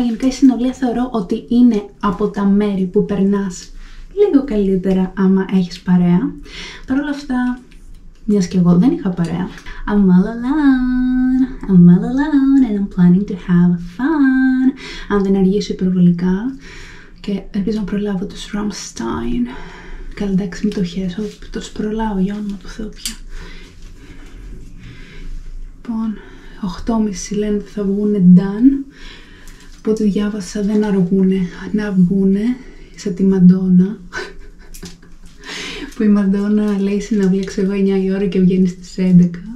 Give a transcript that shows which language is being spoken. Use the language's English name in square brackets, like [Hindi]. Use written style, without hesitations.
[Greek] Γενικά η συναυλία θεωρώ ότι είναι από τα μέρη που περνάς λίγο καλύτερα άμα έχεις παρέα. Παρ' όλα αυτά, μιας και εγώ δεν είχα παρέα. [English] I'm all alone, I'm all alone and I'm planning to have fun. [Greek] Αν δεν αργήσω υπερβολικά και ελπίζω να προλάβω τους Rammstein. Καλά, εντάξει, μην το χέσω, το προλάβω για όνομα του Θεού πια. Λοιπόν, 8.30 λένε ότι θα βγουνε done. Από ό,τι διάβασα δεν αργούνε να βγουνε. Σαν τη Μαντόνα που η Μαντόνα λέει συναυλία ξέρω 9 η ώρα και βγαίνει στις 11.